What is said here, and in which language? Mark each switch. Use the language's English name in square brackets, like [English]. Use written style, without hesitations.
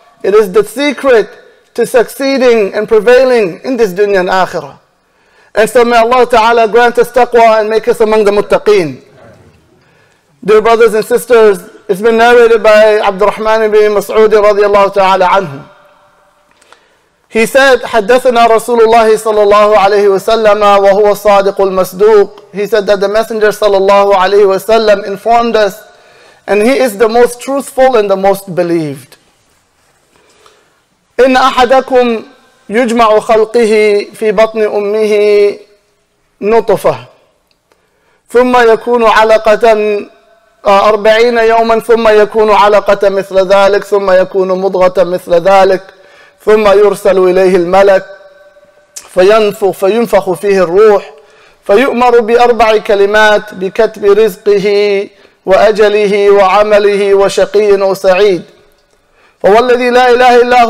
[English] It is the secret to succeeding and prevailing in this dunya and akhirah. And so may Allah Ta'ala grant us taqwa and make us among the muttaqeen. Dear brothers and sisters, it's been narrated by Abdurrahman ibn Mas'udi radiallahu ta'ala anhu. He said, [Arabic] حَدَّثَنَا رَسُولُ اللَّهِ صَلَى اللَّهُ عَلَيْهِ وَسَلَّمَ وَهُوَ الصَّادِقُ الْمَسْدُوقُ. [English] He said that the Messenger صلى الله عليه وسلم informed us, And he is the most truthful and the most believed. [Arabic] إِنَّ أَحَدَكُمْ يُجْمَعُ خَلْقِهِ فِي بَطْنِ أُمِّهِ نُطْفَةٌ ثُمَّ يَكُونُ عَلَقَةً 40 يوما ثم يكون علقة مثل ذلك ثم يكون مضغة مثل ذلك ثم يرسل إليه الملك فينفخ فيه الروح فيؤمر بأربع كلمات بكتب رزقه وأجله وعمله وشقي أو سعيد فوالذي لا إله